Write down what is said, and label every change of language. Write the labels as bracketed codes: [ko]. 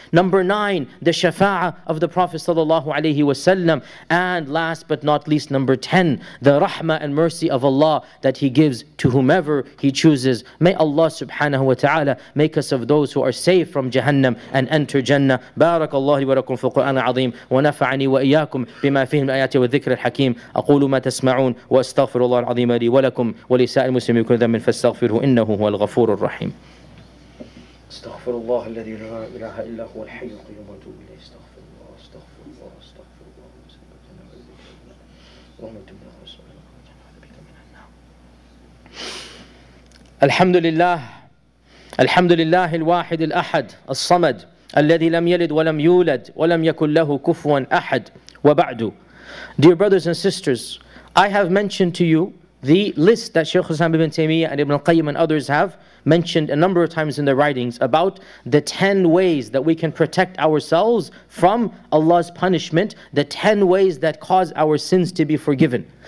[en] Number 9, the shafa'ah of the Prophet sallallahu alayhi wasallam. And last but not least, number 10, the rahmah and mercy of Allah that He gives to whomever He chooses. May Allah subhanahu wa ta'ala make us of those who are saved from Jahannam and enter Jannah. [ar] Barakallahu li wa lakum fi al-Qur'an al-Azim wa nafa'ani wa iyyakum bima fihi al-ayati wa dhikr al-hakim. Aqulu ma tasma'un wa استغفر الله العظيم لي ولكم ولسائر المسلمين كل ذنب فاستغفره انه هو الغفور الرحيم استغفر الله الذي لا اله الا هو الحي القيوم واتوب اليه استغفر الله استغفر الله استغفر الله اللهم صل على سيدنا محمد اللهم تب لنا رسولنا وجعلنا بك من النار الحمد لله الحمد لله الواحد الاحد الصمد الذي لم يلد ولم يولد ولم يكن له كفوا احد وبعد [en] Dear brothers and sisters, I have mentioned to you the list that Shaykh Islam ibn Taymiyyah and Ibn al-Qayyim and others have mentioned a number of times in their writings about the 10 ways that we can protect ourselves from Allah's punishment, the 10 ways that cause our sins to be forgiven.